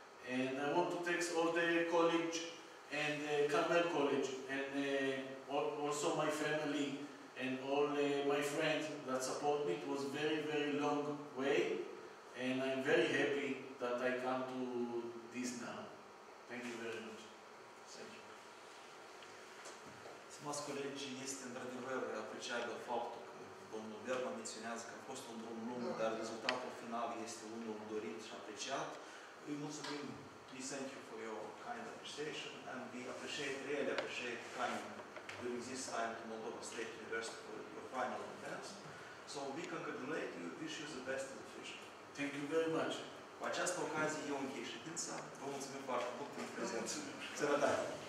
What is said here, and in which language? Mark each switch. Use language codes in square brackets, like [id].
[en] And I want to thank all the college and Carmel College and also my family and all my friends that support me. It was very, very long way, and I'm very happy that I come to this now. Thank you very much. Thank you. [ro] Stimați colegi, este într-adevăr apreciabil faptul că domnul Berma menționează că a fost un drum lung, dar rezultatul final este unul dorit și apreciat. [en] We [ro] mulțumim. [en] We thank you for your kind appreciation, and we appreciate, really appreciate coming during this time to Moldova State University for your final events. So we congratulate you, wish you the best in the future. Thank you very much. [ro] Cu această ocazie, eu închei ședința. Vă mulțumim foarte mult pentru prezență. Sănătate!